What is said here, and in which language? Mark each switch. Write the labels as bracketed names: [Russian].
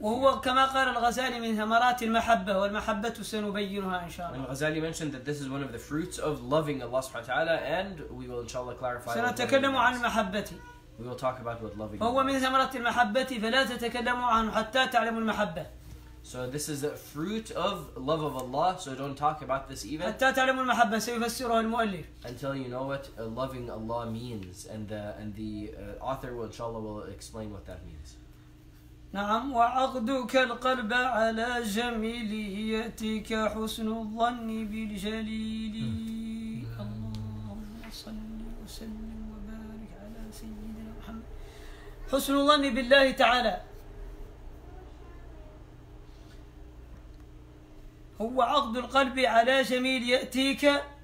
[Arabic] وهو كما قال الغزالي من ثمرات المحبة والمحبة سنبينها إن شاء الله. [English] And Ghazali mentioned that this is one of the fruits of loving Allah subhanahu wa ta'ala, and we will inshallah clarify. [Arabic] سنتكلم عن المحبة. [English] We will talk about what loving. [Arabic] وهو من ثمرات المحبة فلا تتكلموا عن حتى تعلموا المحبة. [English] So this is a fruit of love of Allah, so don't talk about this even. [Arabic] حتى تعلموا المحبة سيفسرها المؤلف. [English] Until you know what loving Allah means, and the author will inshallah will explain what that means. [Arabic] نعم وعقدك القلب على جميليتك حسن الظن بالجليل اللهم صل وسلم وبارك على سيدنا محمد حسن الظن بالله تعالى هو عقد القلب على جميليتك